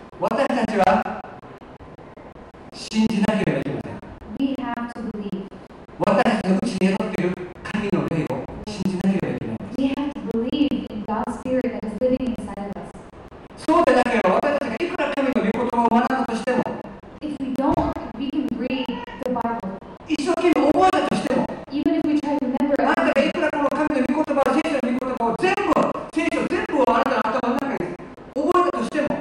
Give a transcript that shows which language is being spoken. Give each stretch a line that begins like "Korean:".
Japanese: たちは信じなければいけません。
English: We have to believe.
Japanese: 私たちの内に宿っている神の霊を信じなければいけません。
English: We have to believe in God's spirit that is living inside of us.
Japanese: そうでなければ私たちがいくら神の御言葉を学んだとしても、
English: If we don't, we can read the Bible.
Japanese: 一生懸命覚えたとしても、
English: Even if we try to remember
Japanese: it, あなたがいくらこの神の御言葉、聖書の御言葉を全部、聖書全部をあなたの頭の中に覚えたとしても、